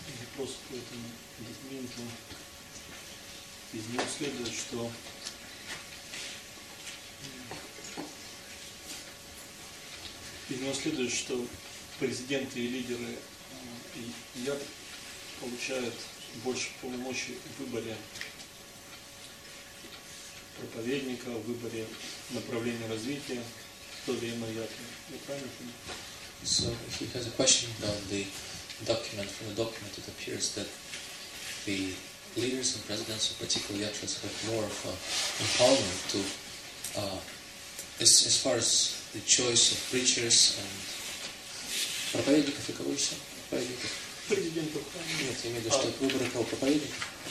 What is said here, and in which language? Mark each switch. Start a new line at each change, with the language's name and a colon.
Russian: Вопрос по этому документу. Из него следует, что президенты и лидеры получают больше полномочий в выборе проповедника, в выборе направления развития, то ли иной ятры. Я правильно понимаю?
English: So, if he has a question about the document, from the document it appears that the leaders and presidents of particular yatras have more of an empowerment to, as far as the choice of preachers and
Russian: проповедников, и кого еще? Проповедников. Нет, я имею в виду, что выборы кого проповедников?